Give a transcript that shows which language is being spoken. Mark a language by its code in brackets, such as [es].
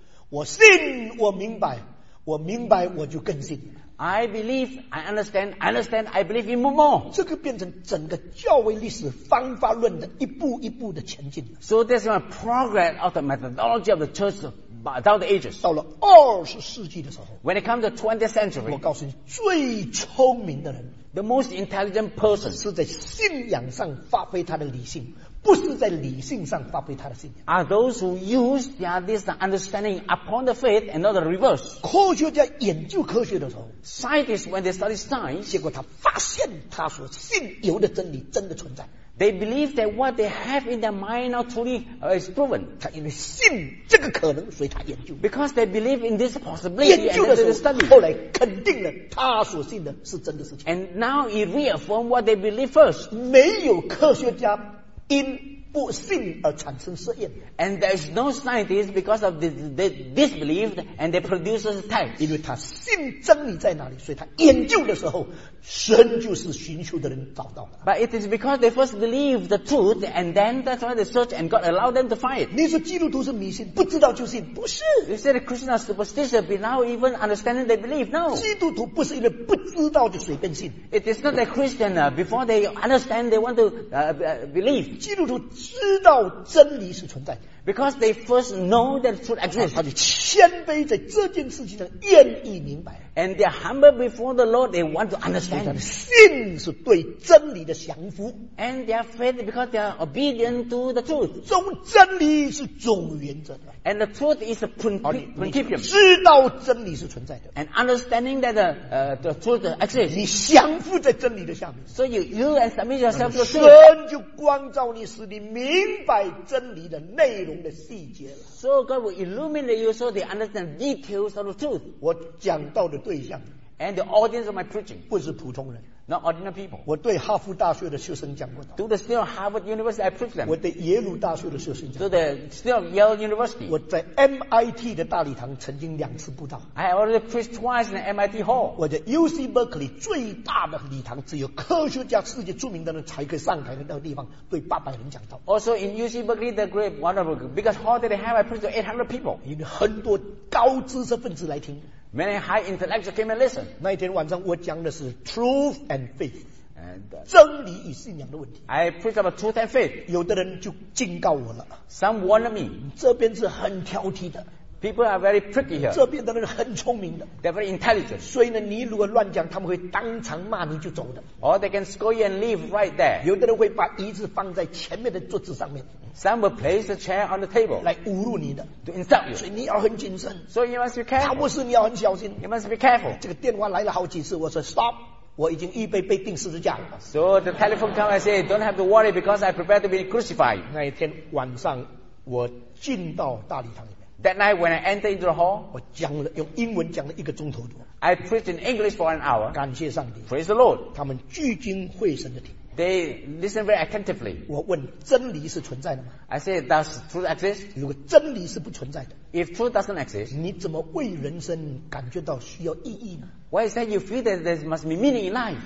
[zh] 我信，我明白，我明白，我就更信。 [en] I believe, I understand, I understand, I believe even more. [zh] 这个变成整个教会历史方法论的一步一步的前进。 [en] So there's a progress of the methodology of the church down the ages. [zh] 到了二十世纪的时候 [en] ，When it comes to 20th century, [zh] 我告诉你，最聪明的人。 [en] The most intelligent person [zh] 是在信仰上发挥他的理性，不是在理性上发挥他的信仰。 [en] Are those who use their this understanding upon the faith and not the reverse? [zh] 科学家研究科学的时候 [en] ，scientists when they study science， [zh] 结果他发现他所信有的真理真的存在。 [en] They believe that what they have in their mind now truly is proven. [zh] 他因为信这个可能，所以他研究。 [en] Because they believe in this possibility, [zh] 研究的时候 [en] and study. [zh] 后来肯定了他所信的是真的事情。 [en] And now it reaffirms what they believe first. [zh] 没有科学家 in 不信而产生试验。 [en] And there is no scientist because of this, they disbelieved and they produce tests. [zh] 因为他信真理在哪里，所以他研究的时候，神就是寻求的人找到的。 [en] But it is because they first believed the truth and then that's why they searched and God allowed them to find it. [zh] 你说基督徒是迷信，不知道就信，不是。 [en] You say the Christians are superstitious, but now even understanding they believe, no. [zh] 基督徒不是因为不知道就随便信。 [en] It is not that Christian before they understand they want to believe. [zh] 基督徒知道真理是存在的。 [en] Because they first know that truth exists. [zh] 他就谦卑在这件事情上愿意明白。 [en] And they are humble before the Lord, they want to understand. [zh] 信是对真理的降服。 [en] And they are faith because they are obedient to the truth. [zh] 总真理是总原则的。 [en] And the truth is a principium. [zh] 知道真理是存在的。 [en] And understanding that the truth exists. [zh] 你降服在真理的下面。 [en] So you yield and submit yourself to the truth. [zh] 神就光照你，使你明白真理的内容。 [en] So God will illuminate you so they understand details of the truth. [zh] 我讲到的对象 [en] and the audience of my preaching [zh] 不是普通人 [en] not ordinary people. [zh] 我对哈佛大学的学生讲过 [en] to the student of Harvard University I preach them. [zh] 我对耶鲁大学的学生讲过 [en] to the student of Yale University. [zh] 我在 MIT 的大礼堂曾经两次布道 [en] I already preached twice in the MIT hall. [zh] 我在 UC Berkeley 最大的礼堂只有科学家世界著名的人才可以上台的那个地方对800人讲道 [en] Also in UC Berkeley the great wonderful biggest hall that they have I preached to 800 people. [zh] 因为很多高知识分子来听 [en] Many high intellectuals came and listened. [zh] 那一天晚上我讲的是 [en] truth and faith, [zh] 真理与信仰的问题。 [en] I preached about truth and faith. [zh] 有的人就警告我了。 [en] Some warned me. [zh] 这边是很挑剔的。 [en] People are very picky here. [zh] 这边的人很聪明的。 [en] They're very intelligent. [zh] 所以呢，你如果乱讲，他们会当场骂你就走的。 [en] Or they can scold you and leave right there. [zh] 有的人会把椅子放在前面的桌子上面。 [en] Some will place a chair on the table [zh] 来侮辱你的 [en] to insult you. [zh] 所以你要很谨慎 [en] So you must be careful. [zh] 他不是你要很小心 [en] You must be careful. [zh] 这个电话来了好几次，我说 stop， 我已经预备被钉十字架了。 [en] So the telephone come, I say, don't have to worry because I prepare to be crucified. [zh] 那一天晚上，我进到大礼堂里面。 [en] That night when I entered into the hall, [zh] 我讲了用英文讲了一个钟头多。 [en] I preached in English for an hour. [zh] 感谢上帝。 [en] Praise the Lord. [zh] 他们聚精会神的听。 [en] They listen very attentively. [zh] 我问真理是存在的吗 [en] ？I say, does truth exist? [zh] 如果真理是不存在的 [en] ，If truth doesn't exist, [zh] 你怎么为人生感觉到需要意义呢 [en] ？Why is that you feel that there must be meaning in life?